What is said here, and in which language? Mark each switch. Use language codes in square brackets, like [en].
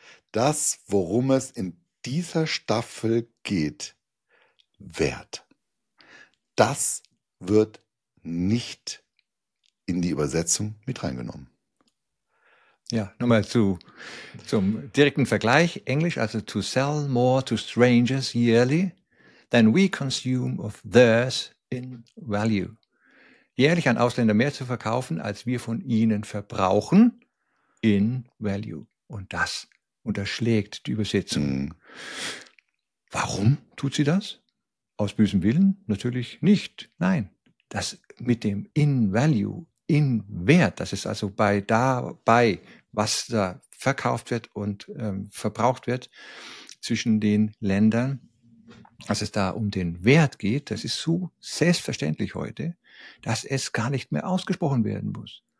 [de] Das, worum es in dieser Staffel geht, Wert. Das wird nicht in die Übersetzung mit reingenommen. Ja, nochmal zum direkten Vergleich. Englisch, also [en] to sell more to strangers yearly than we consume of theirs in value. [de] Jährlich an Ausländer mehr zu verkaufen, als wir von ihnen verbrauchen. [en] In value. [de] Und das unterschlägt die Übersetzung. Mhm. Warum tut sie das? Aus bösem Willen? Natürlich nicht. Nein. Das mit dem in value, in Wert, das ist also bei dabei, was da verkauft wird und verbraucht wird zwischen den Ländern, dass es da um den Wert geht, das ist so selbstverständlich heute, dass es gar nicht mehr ausgesprochen werden muss.